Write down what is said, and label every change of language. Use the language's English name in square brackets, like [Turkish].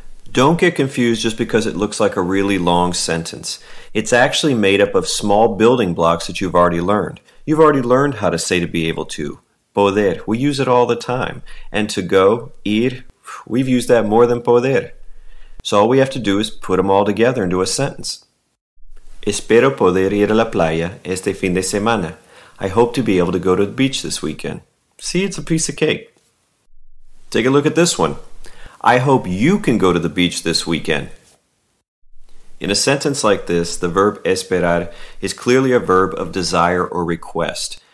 [English] Don't get confused just because it looks like a really long sentence. It's actually made up of small building blocks that you've already learned. You've already learned how to say to be able to. Poder, we use it all the time. And to go, ir, we've used that more than poder. So all we have to do is put them all together into a sentence. [Spanish] Espero poder ir a la playa este fin de semana. [English] I hope to be able to go to the beach this weekend. See, it's a piece of cake. Take a look at this one. I hope you can go to the beach this weekend. In a sentence like this, the verb esperar is clearly a verb of desire or request.